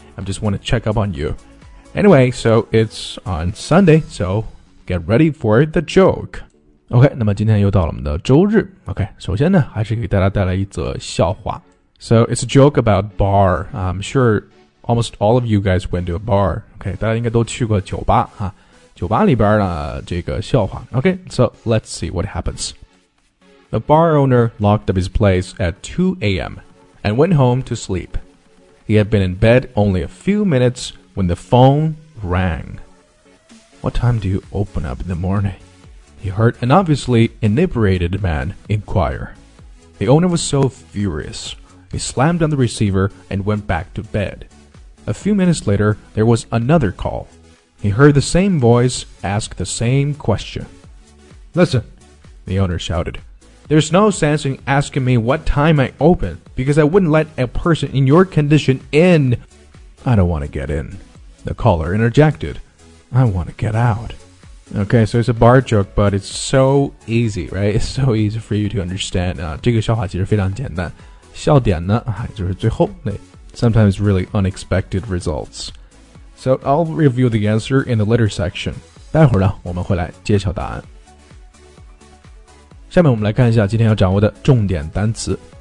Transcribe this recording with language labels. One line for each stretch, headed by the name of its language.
English: I just want to check up on you. Anyway, so it's on Sunday, so get ready for the joke.
Chinese: OK, 那么今天又到了我们的周日。 OK, 首先呢，还是给大家带来一则笑话。
English: So it's a joke about bar. I'm sure almost all of you guys went to a bar.
Chinese: OK, 大家应该都去过酒吧啊。酒吧里边呢，这个笑话。
English: Okay, so let's see what happens. The bar owner locked up his place at 2 a.m. and went home to sleep. He had been in bed only a few minutes when the phone rang. What time do you open up in the morning? He heard an obviously inebriated man inquire. The owner was so furious. He slammed on the receiver and went back to bed. A few minutes later, there was another call. He heard the same voice ask the same question. Listen, the owner shouted. There's no sense in asking me what time I open because I wouldn't let a person in your condition in. I don't want to get in. The caller interjected. I want to get out. Okay, so it's a bar joke, but it's so easy, right? It's so easy for you to understand.
Chinese: 这个笑话其实非常简单。笑点呢，就是最后那
English: sometimes really unexpected results. So I'll review the answer in the later section.
Chinese: 待会儿呢，我们会来揭晓答案。下面我们来看一下今天要掌握的重点单词。